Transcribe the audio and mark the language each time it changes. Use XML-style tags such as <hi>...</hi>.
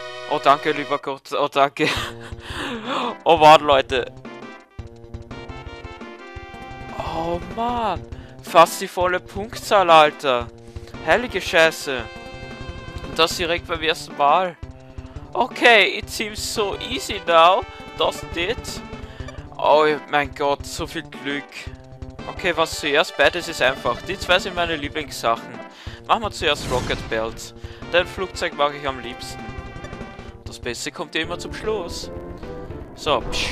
<de>Oh, danke, lieber Gott. Oh, danke. Oh, warte, Leute. Oh, Mann. Fast die volle Punktzahl, Alter. Heilige Scheiße. Und das direkt beim ersten Mal.</de> <en>Okay, it seems so easy now. Das did.</en> <de>Oh mein Gott, so viel Glück. Okay, was zuerst? Beides ist einfach. Die zwei sind meine Lieblingssachen. Machen wir zuerst Rocket Belt. Dein Flugzeug mag ich am liebsten. Das Beste kommt ja immer zum Schluss. So.</de>